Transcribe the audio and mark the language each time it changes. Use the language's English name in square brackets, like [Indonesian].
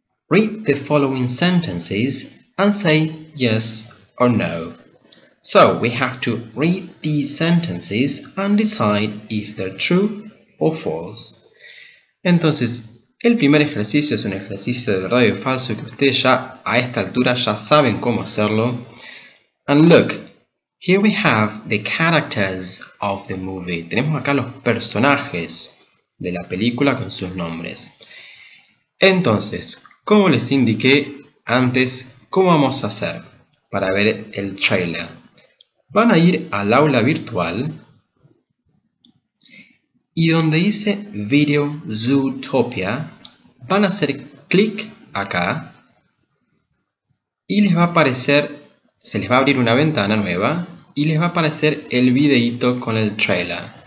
[English] Read the following sentences and say yes or no. So, we have to read these sentences and decide if they're true or false. [Spanish] Entonces, el primer ejercicio es un ejercicio de verdad o falso que ustedes ya, a esta altura, ya saben cómo hacerlo. [English] And look, here we have the characters of the movie. [Spanish] Tenemos acá los personajes de la película con sus nombres. Entonces, como les indiqué antes, ¿cómo vamos a hacer para ver el trailer? Van a ir al aula virtual y donde dice Video Zootopia, van a hacer clic acá y les va a aparecer, se les va a abrir una ventana nueva y les va a aparecer el videito con el trailer.